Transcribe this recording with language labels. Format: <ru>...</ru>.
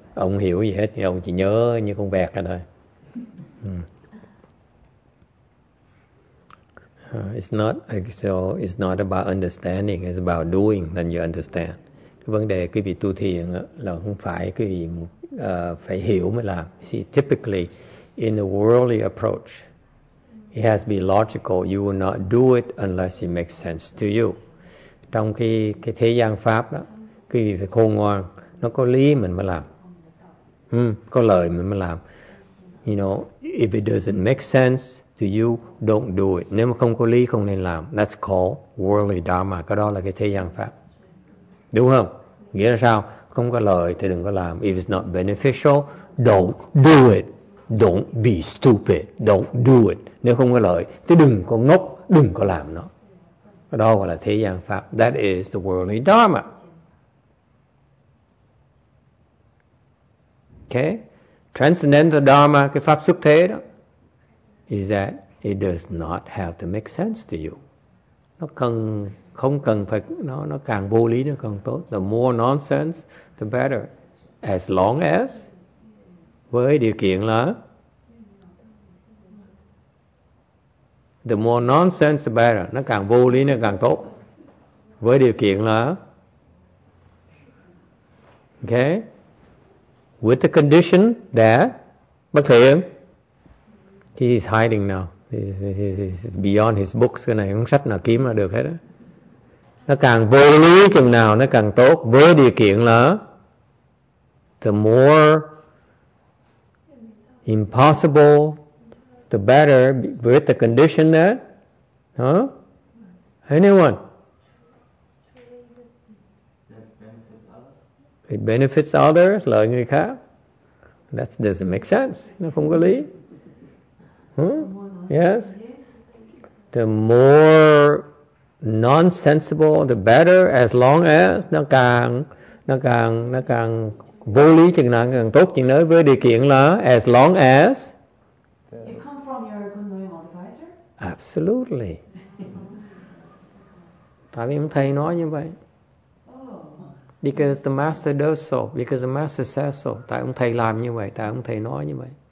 <vi>Ông hiểu gì hết thì ông chỉ nhớ như con vẹt ra thôi.</vi> <en>It's not about understanding, it's about doing, then you understand.</en> <vi>Cái vấn đề quý vị tu thiền là không phải quý vị phải hiểu mới làm.</vi> <en>See, typically, in the worldly approach, it has to be logical. You will not do it unless it makes sense to you.</en> <vi>Trong cái thế gian Pháp đó, quý vị phải khôn ngoan, nó có lý mình mới làm. Có lời mình mới làm.</vi> <en>You know, if it doesn't make sense to you, don't do it.</en> <vi>Nếu mà không có lý không nên làm.</vi> <en>That's called worldly dharma.</en> <vi>Cái đó là cái thế gian pháp. Đúng không? Nghĩa là sao? Không có lời thì đừng có làm.</vi> <en>If it's not beneficial, don't do it. Don't be stupid. Don't do it.</en> <vi>Nếu không có lợi thì đừng có ngốc, đừng có làm nó. Cái đó gọi là thế gian pháp.</vi> <en>That is the worldly dharma. Okay, transcendental dharma,</en> <vi>cái pháp xuất thế đó,</vi> <en>is that it does not have to make sense to you.</en> <vi>Nó càng vô lý nó càng tốt.</vi> <en>The more nonsense, the better. As long as,</en> <vi>với điều kiện là,</vi> <en>the more nonsense, the better.</en> <vi>Nó càng vô lý nó càng tốt. Với điều kiện là, okay.</vi> <en>With the condition that</en> <vi>bất thiện,</vi> <en>he is hiding now. He's beyond his books.</en> <vi>Cái này không sách nào kiếm là được hết đó. Nó càng vô lý chừng nào nó càng tốt. Với điều kiện là</vi> <en>the more impossible, the better. With the condition that, huh? Anyone? It benefits others.</en> <vi>Lợi người khác.</vi> <en>That doesn't make sense.</en> <vi>Nó không có lý.</vi> <en>Yes. The more nonsensible, the better. As long as</en> <vi>nó càng</vi> <en>nó càng vô lý chừng nào càng tốt chừng đấy, với điều kiện là as long as you come from your good knowing advisor. Absolutely.</en> <vi>Tại vì ông thầy nói như vậy.</vi> <en>Because the master does so, because the master says so.</en> <vi>Tại ông thầy làm như vậy, tại ông thầy nói như vậy.</vi>